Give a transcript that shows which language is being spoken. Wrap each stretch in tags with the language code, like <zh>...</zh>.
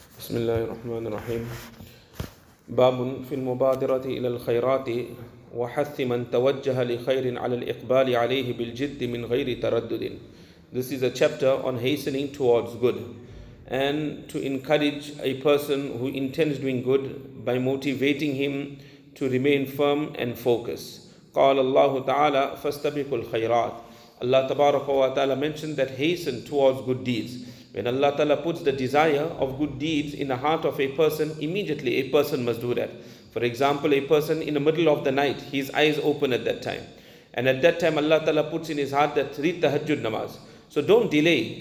<ar>بسم الله الرحمن الرحيم باب في المبادرة إلى الخيرات وحث من توجه لخير على الإقبال عليه بالجد من غير تردد.</ar> <en>This is a chapter on hastening towards good and to encourage a person who intends doing good by motivating him to remain firm and focus.</en> <ar>قال الله تعالى فاستبقوا الخيرات.</ar> <en>Allah تبارك وتعالى mentioned that hasten towards good deeds. When Allah Ta'ala puts the desire of good deeds in the heart of a person, immediately a person must do that. For example, a person in the middle of the night, his eyes open at that time. And at that time Allah Ta'ala puts in his heart that read tahajjud namaz. So don't delay.</en>